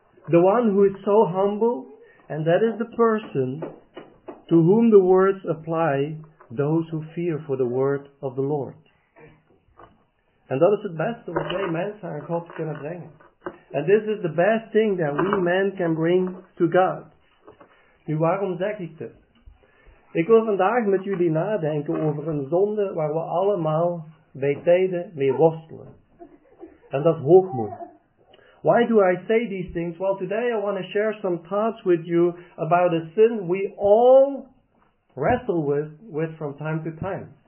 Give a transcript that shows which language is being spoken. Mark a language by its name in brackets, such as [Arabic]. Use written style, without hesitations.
[English] The one who is so humble, and that is the person to whom the words apply, those who fear for the word of the Lord. And that is the best of what we men and God can bring. And this is the best thing that we men can bring to God. [Dutch] Nu, waarom zeg ik dit? Ik wil vandaag met jullie nadenken over een zonde waar we allemaal bij tijden mee worstelen. En dat is hoogmoed. [English] Why do I say these things? Well, today I want to share some thoughts with you about a sin we all wrestle with from time to time.